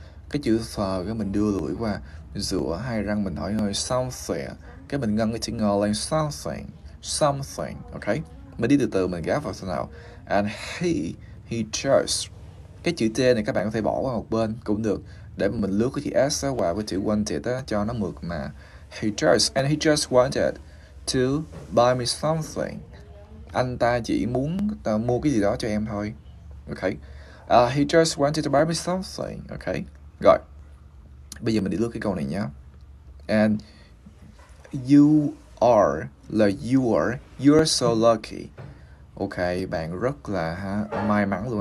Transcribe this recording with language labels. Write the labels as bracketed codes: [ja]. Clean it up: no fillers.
[vi] Cái chữ sờ cái mình đưa lưỡi qua giữa hai răng mình hỏi hơi something, cái mình ngân cái chữ ngờ lên something something. Ok, mình đi từ từ mình gáp vào sau nào. [en] And he just, [vi] cái chữ t này các bạn có thể bỏ qua một bên cũng được, để mình lướt cái chữ s qua với chữ wanted đó, cho nó mượt mà. [en] He just, and he just wanted to buy me something. [vi] Anh ta chỉ muốn mua cái gì đó cho em thôi. Ok, [en] he just wanted to buy me something. [vi] Ok, rồi. Bây giờ mình đi lướt cái câu này nhé. [en] And you [vi] are là [en] you're so lucky. [vi] Ok, bạn rất là may mắn luôn.